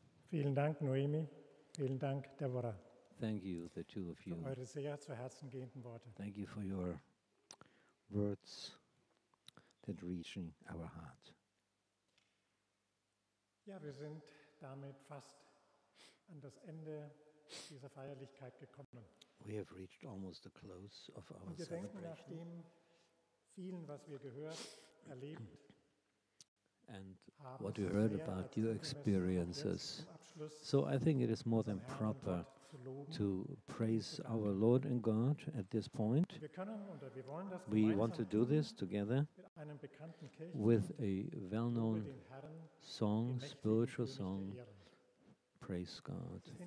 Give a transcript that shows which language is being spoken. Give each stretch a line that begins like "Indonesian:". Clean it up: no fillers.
German: Vielen Dank, Noemi. Vielen Dank, Deborah.
English: Thank you, the two of you.
German: Für eure sehr zu Herzen gehenden Worte.
English: Thank you for your words that reach our heart.
German: Ja, wir sind damit fast an das Ende dieser Feierlichkeit gekommen.
English: We have reached almost the close of our celebration.
German: Wir denken nach dem vielen, was wir gehört, erlebt.
English: And what we heard about your experiences. So I think it is more than proper to praise our Lord and God at this point. We want to do this together with a well-known song, spiritual song, Praise God.